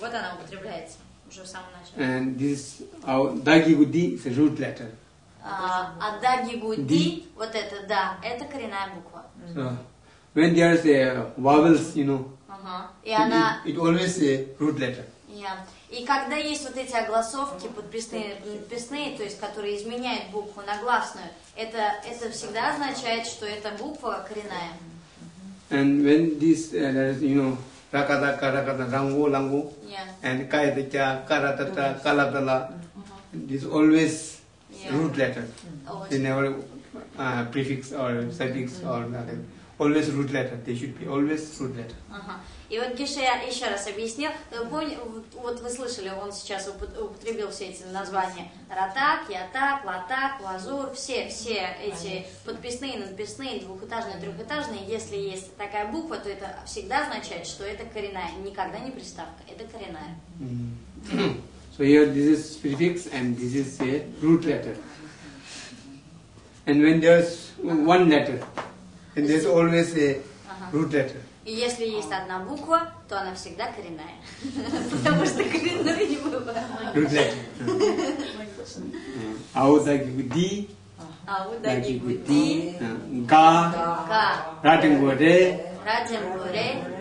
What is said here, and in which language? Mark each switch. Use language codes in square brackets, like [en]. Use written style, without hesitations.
[ru] Вот она употребляется уже в самом начале. [en] And this даги гуди is a root letter. [ru] А даги гуди, вот это да, это коренная буква. [en] So, when there is vowels, you know, it always a root letter. [ru] Yeah. И когда есть вот эти огласовки, подписные, подписные, то есть которые изменяют букву на гласную, это всегда означает, что эта буква коренная. [en] And when this, you know, rakata, karakata, rango, lango, and kaedicha, karatata, kalatala, this always root letter. Mm-hmm. They never prefix or suffix or nothing. Always root letter. They should be always root letter. [ru] И вот Гиша я еще раз объяснил. Вот вы слышали, он сейчас употребил все эти названия. Ратак, ятак, латак, лазур. Все эти подписные, надписные, двухэтажные, трехэтажные. Если есть такая буква, то это всегда означает, что это коренная. Никогда не приставка. Это коренная. [en] So here this is prefix and this is a root letter. And when there's one letter, and there's always a root letter. [ru] И если есть одна буква, то она всегда коренная. Потому что коренной не бывает. [en] Root letter. [bo] Ау даги гуди. Ау даги гуди. Га. Га. Радингуре. Радингуре.